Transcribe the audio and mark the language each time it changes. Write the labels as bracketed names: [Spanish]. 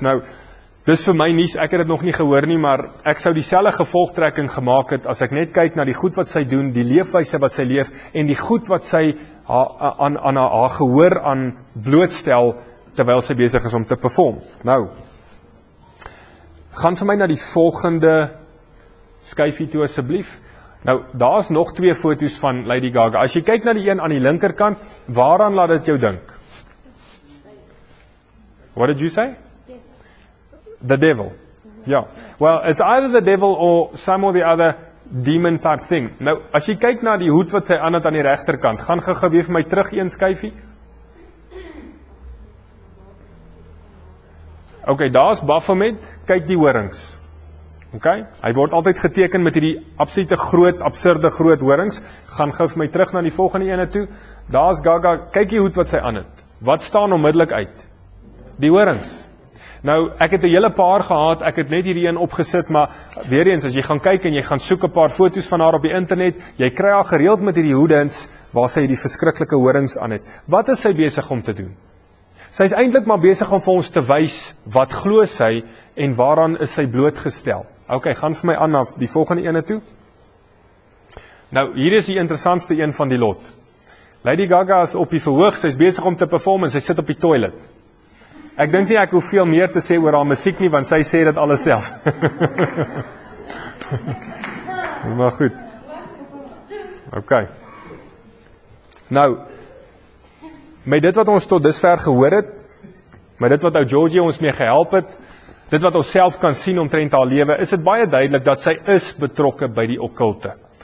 [Afrikaans] Nou dis vir my nuus, ek het dit nog nie gehoor nie, maar ek sou dieselfde gevolgtrekking gemaak het as ek net kyk na die goed wat sy doen, die leefwyse wat sy leef en die goed wat sy haar gehoor aan blootstel terwyl sy besig is om te perform. Nou gaan vir my na die volgende skyfie toe asseblief. Nou, daar is nog twee foto's van Lady Gaga. As jy kyk na die een aan die linkerkant, waaraan laat dit jou dink? [English] What did you say? The devil. Ja. Yeah. Well, it's either the devil or some or the other demon type thing. [Afrikaans] Nou, as jy kyk na die hoed wat sy aan het aan die rechterkant, gaan gou weer vir my terug een skyfie. Ok, daar is Baphomet, kyk die horings. Ok, hy word altyd geteken met die absolute groot, absurde groot horings. Gaan gif my terug na die volgende ene toe. Daar is Gaga, kyk die hoed wat sy aan het. Wat staan onmiddellik uit? Die horings. Nou, ek het 'n hele paar gehad, ek het net hierdie een opgesit, maar weer eens, as jy gaan kyk en jy gaan soek 'n paar foto's van haar op die internet, jy kry haar gereeld met hierdie hoedens waar sy die verskriklike horings aan het. Wat is sy besig om te doen? Sy is eintlik maar besig om vir ons te wys wat glo sy en waaraan is sy blootgestel. Ok, gaan vir my aan na die volgende ene toe. Nou, hier is die interessantste een van die lot. Lady Gaga is op die verhoog, sy is besig om te perform en sy sit op die toilet. Ek dink nie ek hoef veel meer te sê oor haar musiek nie, want sy sê dit alles self. Maar goed. Ok. Nou, met dit wat ons tot dusver gehoor het, met dit wat ou Georgie ons mee gehelp het, dit wat ons self kan sien omtrent haar lewe, is dit baie duidelik dat sy is betrokke by die okkulte.